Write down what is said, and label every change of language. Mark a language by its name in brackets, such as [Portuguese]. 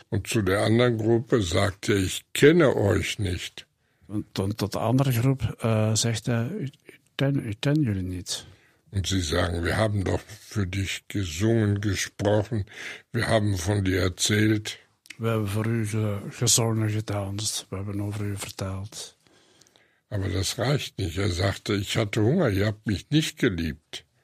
[German] En zu der anderen Gruppe sagt er, ich kenne euch nicht. [Dutch] En tot de andere groep zegt hij, ik ken jullie niet. [German] Und sie sagen, wir haben doch für dich gesungen, gesprochen, wir haben von dir erzählt. Wir haben für euch gesungen und getanzt, wir haben nur für euch erzählt. Aber das reicht nicht. Er sagte, ich hatte Hunger, ihr habt mich nicht geliebt.